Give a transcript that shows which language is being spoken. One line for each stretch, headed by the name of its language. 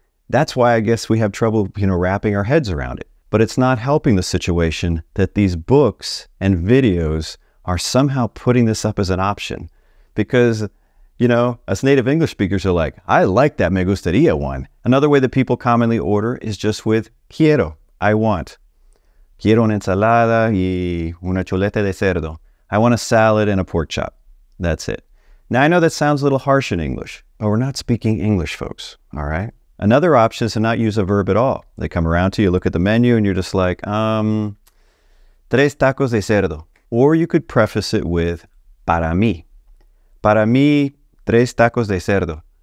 English: That's why I guess we have trouble, you know, wrapping our heads around it. But it's not helping the situation that these books and videos are somehow putting this up as an option. Because, you know, us native English speakers are like, I like that me gustaría one. Another way that people commonly order is just with quiero, I want.
Spanish: Quiero una ensalada y una chuleta de cerdo.
English: I want a salad and a pork chop. That's it. Now, I know that sounds a little harsh in English, but we're not speaking English, folks, all right? Another option is to not use a verb at all. They come around to you, look at the menu, and you're just like,
Spanish: tres tacos de cerdo.
English: Or you could preface it with,
Spanish: para mí, tres tacos de cerdo.